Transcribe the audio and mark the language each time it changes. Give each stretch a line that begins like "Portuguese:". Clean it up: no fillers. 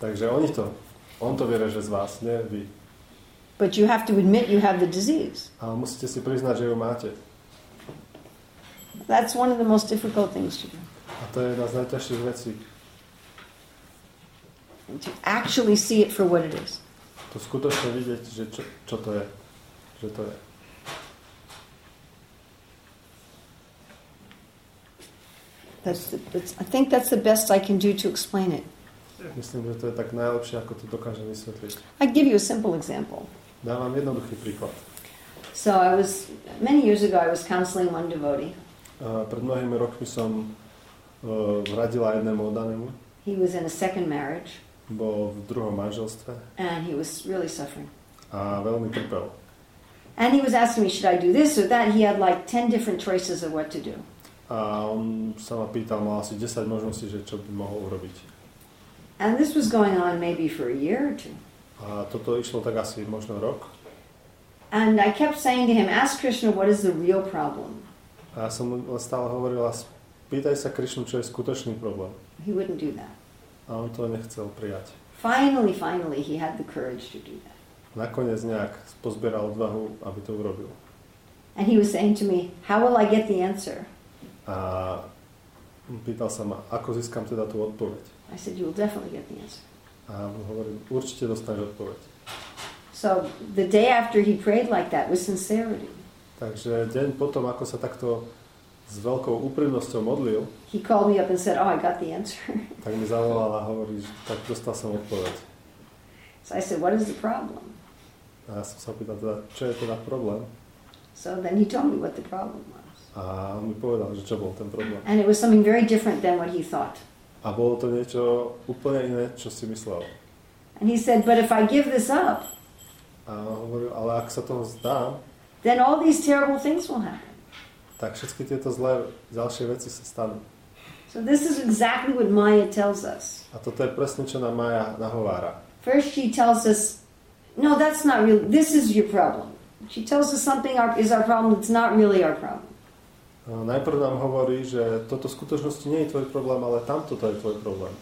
Slovak: Takže oni to, on to vyreže z vás, nie vy.
English: But you have to admit you have the disease.
Slovak: A musíte si priznať, že ju máte.
English: That's one of the most difficult things to do.
Slovak: A to je jedna z najťažších vecí.
English: And to actually see it for what it is.
Slovak: To skutočne vidieť, že čo to je. Že to je.
English: I think that's the best I can do to explain it.
Slovak: Myslím, že to je tak najlepšie, ako to dokážem vysvetliť.
English: I give you a simple example.
Slovak: Dávam jednoduchý príklad.
English: So I was, many years ago I was counseling one devotee.
Slovak: Pred mnohými rokmi som radila jednému oddanému.
English: He was in a second marriage.
Slovak: Bol v druhom manželstve.
English: And he was really suffering.
Slovak: A veľmi trpel.
English: And he was asking me, should I do this or that? He had like 10 different choices of what to do.
Slovak: A on sa ma pýtal, mal asi 10 možností, že čo by mohol urobiť.
English: And this was going on maybe for a year or two.
Slovak: A toto išlo tak asi možno rok.
English: And I kept saying to him, ask Krishna, what is the real problem?
Slovak: A ja som stále hovorila, pýtaj sa Krishnu, čo je skutočný problém.
English: He wouldn't do that.
Slovak: A on to nechcel prijať.
English: Finally, he had the courage to do that.
Slovak: Nakoniec nejak pozbieral odvahu, aby to urobil.
English: And he was saying to me, how will I get the answer?
Slovak: A pýtal sa ma, ako získam teda tú odpoveď.
English: I said, you will definitely get the answer.
Slovak: A hovorím, určite dostaneš odpoveď.
English: So the day after he prayed like that with sincerity.
Slovak: Takže deň potom, ako sa takto s veľkou úprimnosťou modlil,
English: he called me up and said, oh, I got the answer.
Slovak: Tak mi zavolal a hovorí, tak dostal som odpoveď.
English: So I said, what is the problem?
Slovak: A ja som sa pýtal teda, čo je teda problém?
English: So then he told me what the problem was.
Slovak: A on mi povedal, že čo bol ten problém.
English: And it was something very different than what he thought.
Slovak: A bolo to niečo úplne iné, čo si myslel.
English: And he said, but if I give this up,
Slovak: a hovoril, ale ak sa toho vzdám,
English: then all these terrible things will happen.
Slovak: Tak všetky tieto zlé ďalšie veci sa stanú.
English: So this is exactly what Maya tells us.
Slovak: A toto je presne, čo nám Maya nahovára.
English: First she tells us, no, that's not really, this is your problem. She tells us something is our problem, it's not really our problem.
Slovak: Najprv nám hovorí, že toto v skutočnosti nie je tvoj problém, ale tamto to je tvoj problém.